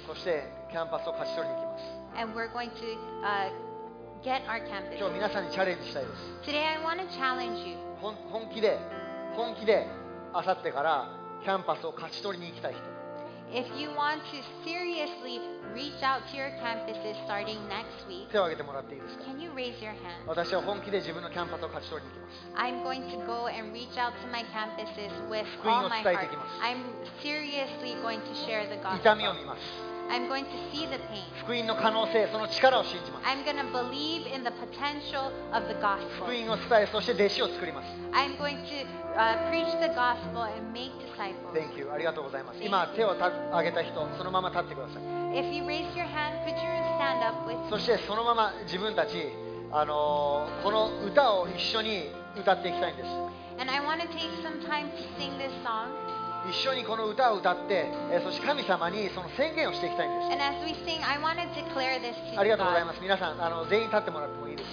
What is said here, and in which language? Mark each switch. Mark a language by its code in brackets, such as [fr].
[ja] そしてキャンパスを勝ち取りに行きます。 [en] And we're going to, get our campuses. [ja] 今日皆さんにチャレンジしたいです。 [en] Today I want to challenge you. [ja] 本気で、明後日からキャンパスを勝ち取りに行きたい人。 [en] If you want to seriously reach out to your campuses starting next week, [ja] 手を挙げてもらっていいですか? [en] Can you raise your hand? [ja] 私は本気で自分のキャンパスを勝ち取りに行きます。 [en] I'm going to go and reach out to my campuses with all my heart. I'm seriously going to share the gospel. [ja] 痛みを見ます。 [en] I'm going to see the pain. [ja] 福音の可能性、その力を信じます。 [en] I'm going to believe in the potential of the gospel. [ja] 福音を伝え、そして弟子を作ります。 [en] I'm going to preach the gospel and make disciples. Thank you. [ja] ありがとうございます。今手を挙げた人、そのまま立ってください。 [en] If you raise your hand, could you stand up with me? [ja] そしてそのまま自分たち、この歌を一緒に歌っていきたいんです。 [en] And I want to take some time to sing this song. [ja] 一緒にこの歌を歌って、そして神様にその宣言をしていきたいんです。 [en] And as we sing, I want to declare this to you. [ja] ありがとうございます。皆さん、全員立ってもらってもいいです。